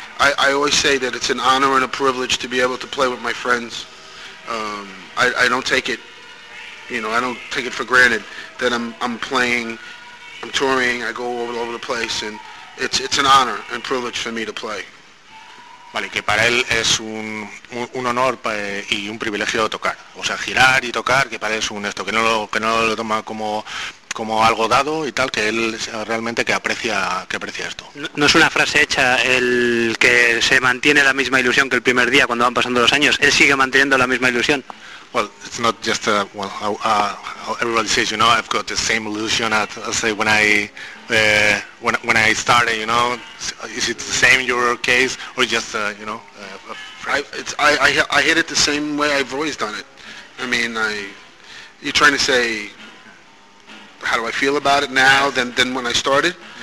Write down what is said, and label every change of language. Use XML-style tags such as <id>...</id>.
<en>I always say that it's an honor and a privilege to be able to play with my friends. I don't take it, you know, I don't take it for granted that I'm playing, I'm touring, I go all over the place, and it's an honor and privilege for me to play.</en> <es>Vale, que para él es un honor y un privilegio tocar, o sea, girar y tocar, que para él es un esto, que no lo toma como algo dado y tal, que él realmente que aprecia esto. No es una frase hecha el que se mantiene la misma ilusión que el primer día cuando van pasando los años. Él sigue manteniendo la misma ilusión.</es> <en>Well, it's not just everybody says, you know, I've got the same illusion as when I started, you know. Is it the same your case or just you know? I hit it the same way I've always done it. I mean, you're trying to say, how do I feel about it now than when I started?</en>